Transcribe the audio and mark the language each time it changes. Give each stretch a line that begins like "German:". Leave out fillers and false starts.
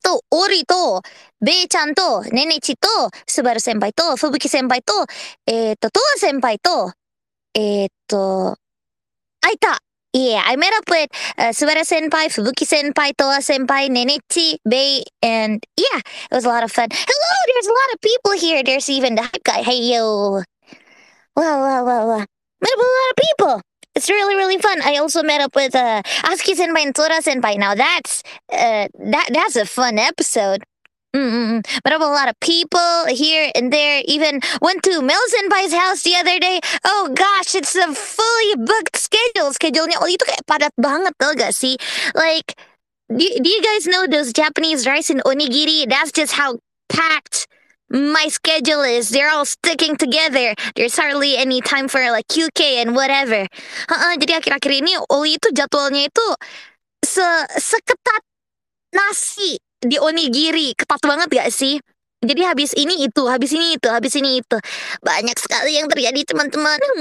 Japanese: オリと、ベイちゃんと、ネネチと、スバル先輩と、フブキ先輩と、トア先輩と、会いた。
English: Yeah, I met up with Suwara-senpai, Fubuki-senpai, Toa-senpai, Nenichi, Bei, and yeah, it was a lot of fun. Hello, there's a lot of people here. There's even the hype guy. Hey, yo. Wow. Met up with a lot of people. It's really, really fun. I also met up with Asuki-senpai and Tora-senpai. Now that's a fun episode. Met up with a lot of people here and there. Even went to Mel-senpai's house the other day. Oh gosh, it's a fully booked schedule.
Indonesian: Schedule-nya Oli itu kayak padat banget tau gak sih?
English: Like, do you guys know those Japanese rice and onigiri? That's just how packed my schedule is. They're all sticking together. There's hardly any time for like QK and whatever.
Indonesian: Jadi akhir-akhir ini Oli itu jadwalnya itu seketat nasi. Di onigiri, ketat banget gak sih? Jadi habis ini itu, habis ini itu, habis ini itu. Banyak sekali yang terjadi teman-teman.